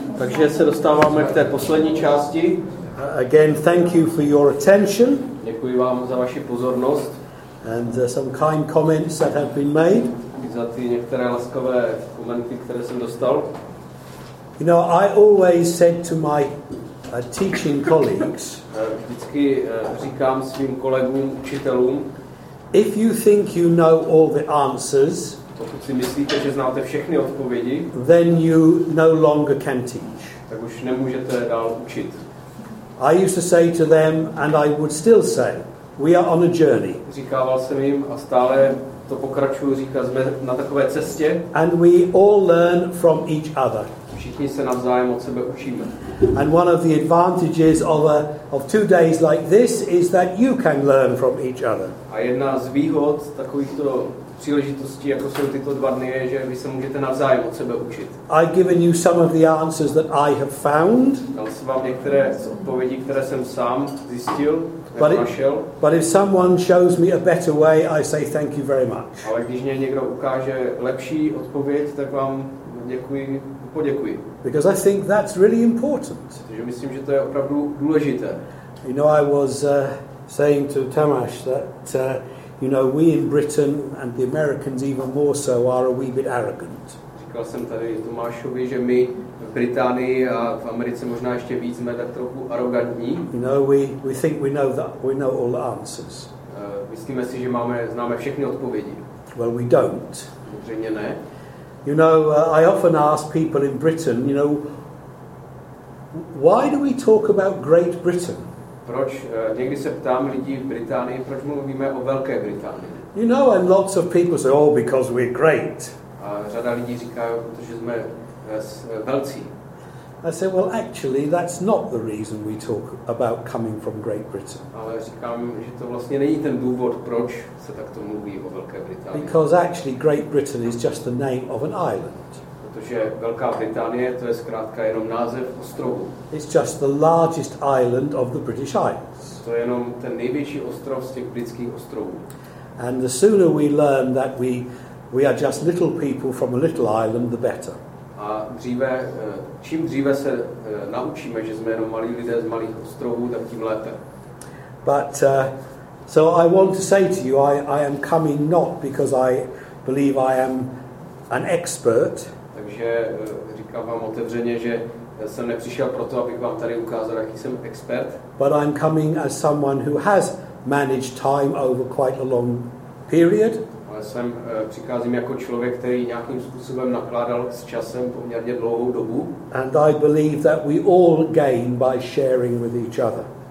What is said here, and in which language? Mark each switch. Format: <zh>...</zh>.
<cs>Takže se dostáváme k té poslední části.</cs> <en>Again, thank you for your attention.</en> <cs>Děkuji vám za vaši pozornost.</cs> <en>And some kind comments that have been made.</en> <cs>Za ty některé laskavé komenty, které jsem dostal.</cs> <en>You know, I always said to my teaching colleagues.</en> <cs>Vždycky říkám svým kolegům, učitelům.</cs> <en>If you think you know all the answers.</en> <cs>Pokud si myslíte, že znáte všechny odpovědi,</cs> <en>then you no longer can teach.</en> <cs>Tak už nemůžete dál učit.</cs> <en>I used to say to them, and I would still say, we are on a journey.</en> <cs>Říkával jsem jim a stále to pokračuju říkat, jsme na takové cestě.</cs> <en>And we all learn from each other.</en> <cs>Všichni se navzájem od sebe učíme.</cs> <en>And one of the advantages of 2 days like this is that you can learn from each other.</en> <cs>A jedna z výhod takovýchto příležitosti, jako jsou tyto 2 dny, je, že vy se můžete navzájem od sebe učit.</cs> <en>I've given you some of the answers that I have found.</en> <cs>Dal jsem vám některé odpovědi, které jsem sám zjistil, našel.</cs> <en>But if someone shows me a better way, I say thank you very much.</en> <cs>Ale když mě někdo ukáže lepší odpověď, tak vám děkuji, poděkuji.</cs> <en>Because I think that's really important.</en> <cs>Protože myslím, že to je opravdu důležité.</cs> <en>You know, I was saying to Tamáš that you know, we in Britain and the Americans even more so are a wee bit arrogant.</en> <cs>Říkal jsem tady Tomášovi, že my v Británii a v Americe možná ještě víc jsme tak trochu arrogantní.</cs> <en>You know, we think we know that we know all the answers.</en> <cs>Myslíme si, že známe všechny odpovědi.</cs> <en>Well, we don't.</en> <cs>Samozřejmě ne.</cs> <en>You know, I often ask people in Britain, you know, why do we talk about Great Britain?</en> <cs>Proč někdy se ptám lidí v Británii, proč mluvíme o Velké Británii?</cs> <en>You know, and lots of people say, oh, because we're great.</en> <cs>A řada lidí říká, protože jsme velcí.</cs> <en>I say, well, actually, that's not the reason we talk about coming from Great Britain.</en> <cs>Ale říkám, že to vlastně není ten důvod, proč se takto mluví o Velké Británii.</cs> <en>Because actually, Great Britain is just the name of an island.</en> <cs>Protože Velká Británie, to je zkrátka jenom název ostrovu.</cs> <en>It's just the largest island of the British Isles.</en> <cs>To je jenom ten největší ostrov z těch britských ostrovů.</cs> <en>And the sooner we learn that we are just little people from a little island, the better.</en> <cs>A dříve, čím dříve se naučíme, že jsme jenom malí lidé z malých ostrovů, tak tím lépe.</cs> <en>But so I want to say to you, I am coming not because I believe I am an expert.</en> <cs>Takže říkám vám otevřeně, že jsem nepřišel proto, abych vám tady ukázal, jaký jsem expert.</cs> <en>But I'm coming as someone who has managed time over quite a long period.</en> <cs>Ale jsem přicházím jako člověk, který nějakým způsobem nakládal s časem poměrně dlouhou dobu.</cs> <en>And I believe that we all gain by sharing with each other.</en>